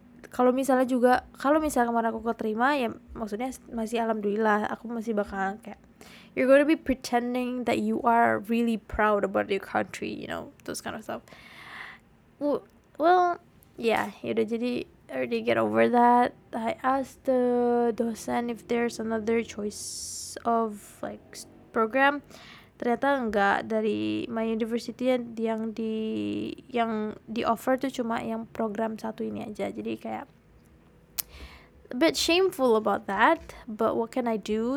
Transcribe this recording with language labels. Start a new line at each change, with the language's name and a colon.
Indonesian: Kalau misalnya juga, kalau misalnya kemarin aku keterima, ya maksudnya masih alhamdulillah, aku masih bakal kayak,
English: you're going to be pretending that you are really proud about your country, you know, those kind of stuff. Well, yeah,
Indonesian: yaudah, jadi
English: I already get over that. I asked the dosen if there's another choice of like program.
Indonesian: Ternyata enggak, dari
English: my university
Indonesian: yang di offer tuh cuma yang program satu ini aja.
English: Jadi kayak a bit shameful about that, but what can I do?